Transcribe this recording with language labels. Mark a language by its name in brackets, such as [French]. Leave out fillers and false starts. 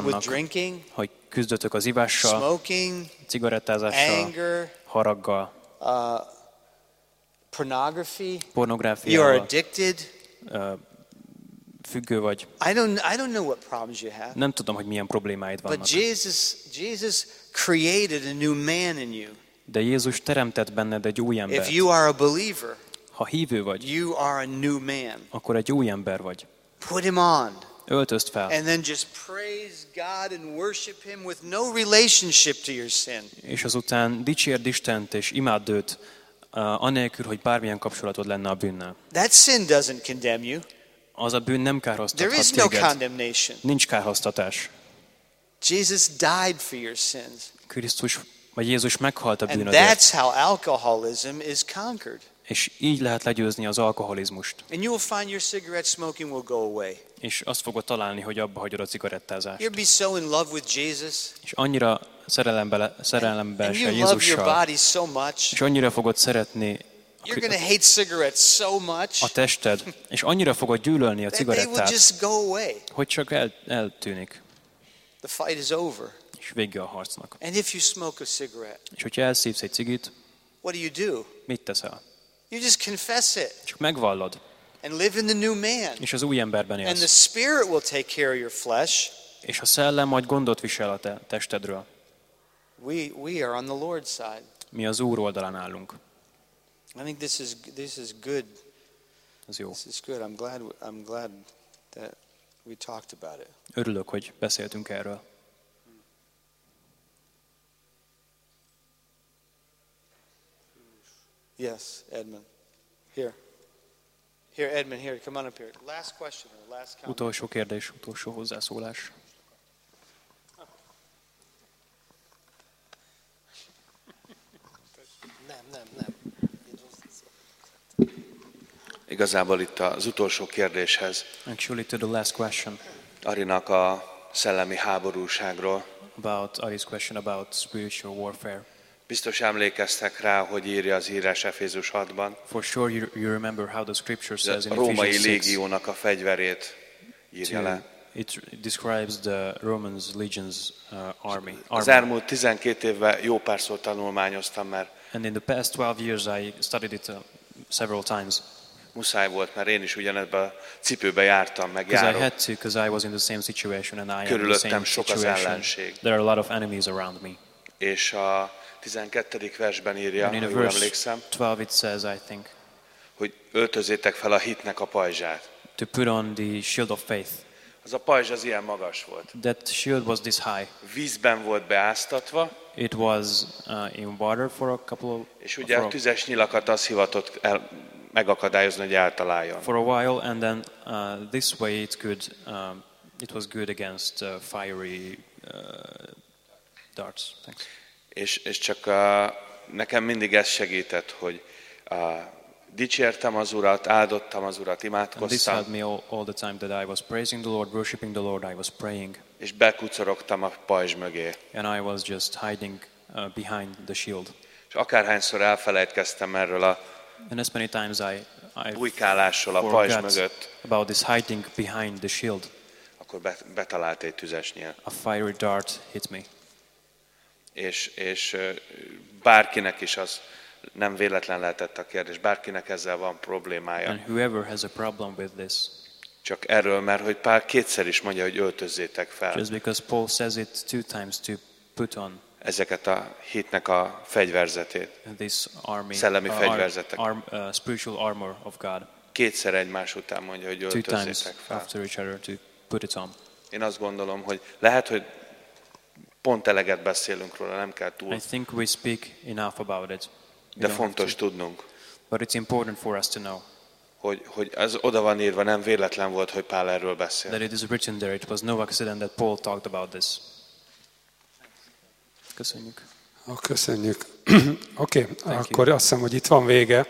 [English] Struggle with drinking. [Hungarian] Hogy küzdötök az ivással. [English] Smoking. [Hungarian] Cigarettázással. [English] Anger. [Hungarian] Haraggal. [English] Pornography. [Hungarian] Pornográfiával. [English] You are addicted. [Hungarian] Függő vagy. [English] I don't know what problems you have. [Hungarian] Nem tudom, hogy milyen problémáid vannak. [English] But Jesus created a new man in you. [Hungarian] De Jézus teremtett benned egy új embert. [English] If you are a believer. [Hungarian] Ha hívő vagy, [English] you are a new man. [Hungarian] Akkor egy új ember vagy. [English] Put him on. [Hungarian] Öltözd fel. [English] And then just praise God and worship him with no relationship to your sin. [Hungarian] És azután dicsérd Istent és imádd őt, anélkül, hogy bármilyen kapcsolatod lenne a bűnnel. [English] That sin doesn't condemn you. [Hungarian] Az a bűn nem károsztathat téged. [English] There is no condemnation. [Hungarian] Nincs kárhoztatás. [English] Jesus died for your sins. [Hungarian] Krisztus, vagy Jézus meghalt a bűnödért. [English] And that's how alcoholism is conquered. [Hungarian] És így lehet legyőzni az alkoholizmust. [English] And you will find your cigarette smoking will go away. [Hungarian] És azt fogod találni, hogy abba hagyod a cigarettázást. [English] You'll be so in love with Jesus. [Hungarian] És annyira szerelembe esel Jézussal. [English] And you love your body so much. [Hungarian] És annyira fogod szeretni. [English] You're gonna hate cigarettes so much. [Hungarian] A tested. És annyira fogod gyűlölni a cigarettát. [English] They will just go away. [Hungarian] Hogy csak eltűnik. [English] The fight is over. [Hungarian] És vége a harcnak. [English] And if you smoke a cigarette. [Hungarian] És hogyha elszívsz egy cigit. [English] What do you do? [Hungarian] Mit teszel? [English] You just confess it. [Hungarian] Csak megvallod. [English] And live in the new man. [Hungarian] És az új emberben élsz. [English] And the spirit will take care of your flesh. [Hungarian] És a szellem majd gondot visel a te testedről. [English] We are on the Lord's side. [Hungarian] Mi az Úr oldalán állunk. [English] I think this is good. [Hungarian] Ez jó. [English] This is good. I'm glad that we talked about it. [Hungarian] Örülök, hogy beszéltünk erről. [English] Yes, Edmund. Here, Edmund, here, come on up here. Last question, last comment. [Hungarian] Utolsó kérdés, utolsó hozzászólás. Nem. Igazából itt az utolsó kérdéshez. [English] Actually, to the last question. [Hungarian] Arinak a szellemi háborúságról. [English] About Ari's question about spiritual warfare. [Hungarian] Biztos emlékeztek rá, hogy írja az írás Efézus 6-ban. [English] For sure you remember how the scripture says in Ephesians 6. [Hungarian] A római légiónak a fegyverét írja le. [English] It describes the Roman legion's army. [Hungarian] Az elmúlt 12 évben jó párszor tanulmányoztam, mert [English] and in the past 12 years I studied it several times. [Hungarian] Muszáj volt, mert én is ugyanebben a cipőben jártam, meg járok. [English] Because I had to, because I was in the same situation and I am in the same [Hungarian] Körülöttem sok az ellenség. [English] There are a lot of enemies around me. [Hungarian] És a 12. versben írja, jól emlékszem, [English] 12 it says, I think, [Hungarian] hogy öltözétek fel a hitnek a pajzsát. [English] To put on the shield of faith. [Hungarian] Az a pajzs az ilyen magas volt. [English] That shield was this high. [Hungarian] Vízben volt beáztatva. [English] It was in water for a couple of. [Hungarian] És ugye a tüzes nyilakat az hivatott el megakadályozni, hogy eltaláljon. [English] For a while and then this way it could it was good against fiery darts. Thanks. [Hungarian] És csak nekem mindig ez segített, hogy dicsértem az Urat, áldottam az Urat, imádkoztam. [English] And this helped me all the time that I was praising the Lord, worshiping the Lord, I was praying. [Hungarian] És bekucorogtam a pajzs mögé. [English] And I was just hiding behind the shield. [Hungarian] És akárhányszor elfelejtkeztem erről a [English] and as many times I [Hungarian] bujkálásról a pajzs mögött, [English] about this hiding behind the shield, [Hungarian] akkor betalált egy tüzesnyél. [English] A fiery dart hit me. [Hungarian] És bárkinek is az nem véletlen lehetett a kérdés, bárkinek ezzel van problémája. [English] And whoever has a problem with this. [Hungarian] Csak erről, mert hogy Pál kétszer is mondja, hogy öltözzétek fel. [English] Just because Paul says it two times to put on. [Hungarian] Ezeket a hitnek a fegyverzetét. [English] This army, [Hungarian] szellemi fegyverzetek. [English] Spiritual armor of God. [Hungarian] Kétszer egymás után mondja, hogy öltözzétek fel. [English] After each other to put it on. [Hungarian] Én azt gondolom, hogy lehet, hogy pont eleget beszélünk róla, nem kell túl. [English] I think we speak enough about it. [Hungarian] De fontos tudnunk. [English] But it's important for us to know. [Hungarian] Hogy ez oda van írva, nem véletlen volt, hogy Pál erről beszélt. [English] That it is written there, it was no accident that Paul talked about this. [Hungarian] Köszönjük. Köszönjük. Oké, okay, akkor [English] you. [Hungarian] Azt hiszem, hogy itt van vége.